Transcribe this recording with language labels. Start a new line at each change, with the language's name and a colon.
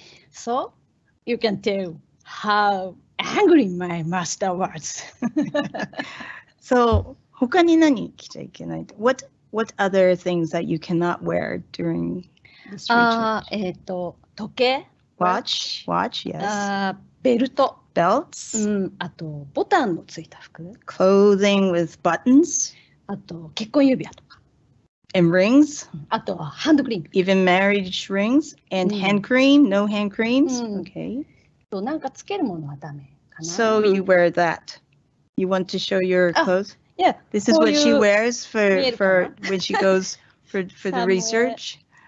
English: So, you can tell how angry my master was.
Japanese: So, 他に何着ちゃいけない?
English: What other things that you cannot wear during this research?
Japanese: 時計?
English: Watch, yes.
Japanese: ベルト。
English: Belts.
Japanese: あとボタンのついた服。
English: Clothing with buttons.
Japanese: あと結婚指輪とか。
English: And rings.
Japanese: あとハンドクリーム。
English: Even marriage rings and hand cream. No hand creams. Okay.
Japanese: となんかつけるものはダメかな。
English: So you wear that. You want to show your clothes? Yeah. This is what she wears for when she goes for the research.